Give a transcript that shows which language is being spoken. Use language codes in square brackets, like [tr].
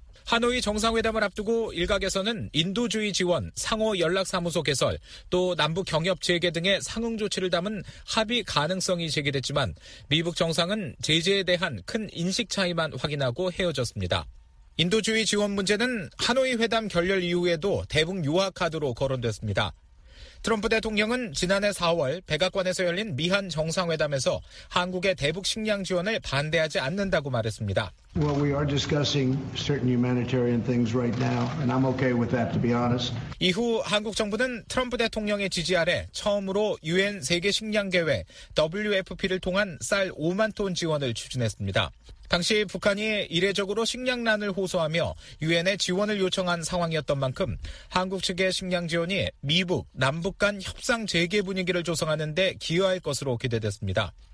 [ko] 하노이 정상회담을 앞두고 일각에서는 인도주의 지원, 상호 연락사무소 개설, 또 남북 경협 재개 등의 상응 조치를 담은 합의 가능성이 제기됐지만 미북 정상은 제재에 대한 큰 인식 차이만 확인하고 헤어졌습니다. 인도주의 지원 문제는 하노이 회담 결렬 이후에도 대북 유화 카드로 거론됐습니다. 트럼프 대통령은 지난해 4월 백악관에서 열린 미한 정상회담에서 한국의 대북 식량 지원을 반대하지 않는다고 말했습니다. [en] Well, we are discussing certain humanitarian things right now, and I'm okay with that, to be honest. [ko] 이후 한국 정부는 트럼프 대통령의 지지 아래 처음으로 UN 세계 식량 계획 WFP를 통한 쌀 5만 톤 지원을 추진했습니다. 당시 북한이 이례적으로 식량난을 호소하며 유엔에 지원을 요청한 상황이었던 만큼 한국 측의 식량 지원이 미북, 남북 간 협상 재개 분위기를 조성하는 데 기여할 것으로 기대됐습니다.